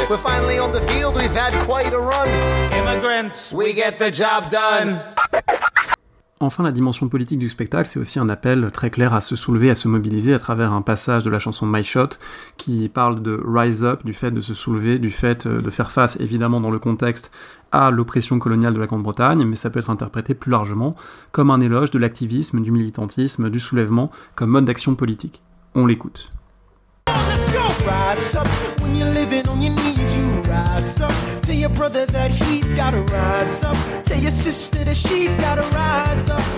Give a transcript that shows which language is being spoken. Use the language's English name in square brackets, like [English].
[English] We're finally on the field, we've had quite a run. Immigrants, we get the job done. [French] Enfin, la dimension politique du spectacle, c'est aussi un appel très clair à se soulever, à se mobiliser à travers un passage de la chanson My Shot qui parle de rise up, du fait de se soulever, du fait de faire face évidemment dans le contexte à l'oppression coloniale de la Grande-Bretagne, mais ça peut être interprété plus largement comme un éloge de l'activisme, du militantisme, du soulèvement comme mode d'action politique. On l'écoute. [English] Rise up, when you're living on your knees, you rise up. Tell your brother that he's gotta rise up. Tell your sister that she's gotta rise up.